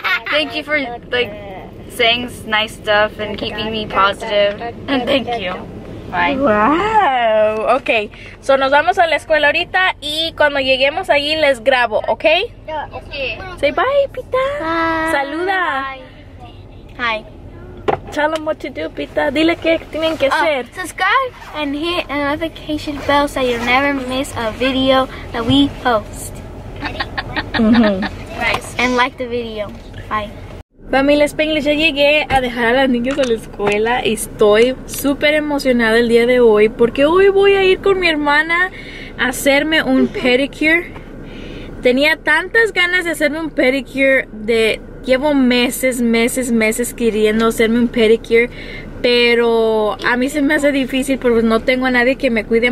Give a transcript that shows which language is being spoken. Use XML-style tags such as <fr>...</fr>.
<en>Thank you for like saying nice stuff and keeping me positive. And thank you. Bye. Wow. Okay.</en> <es>So nos vamos a la escuela ahorita y cuando lleguemos allí les grabo, ¿okay?</es> <en>Okay. Say bye, Pita. Bye.</en> <es>Saluda.</es> <en>Hi. Hi. Tell them what to do, Pita.</en> <es>Dile que tienen que hacer.</es> <en>Subscribe and hit a notification bell so you'll never miss a video that we post. And like the video. Bye.</en> <es>Familia Spanglish, ya llegué a dejar a las niñas a la escuela. Estoy súper emocionada el día de hoy porque hoy voy a ir con mi hermana a hacerme un pedicure. Tenía tantas ganas de hacerme un pedicure de... Llevo meses queriendo hacerme un pedicure, pero a mí se me hace difícil porque no tengo a nadie que me cuide.</es>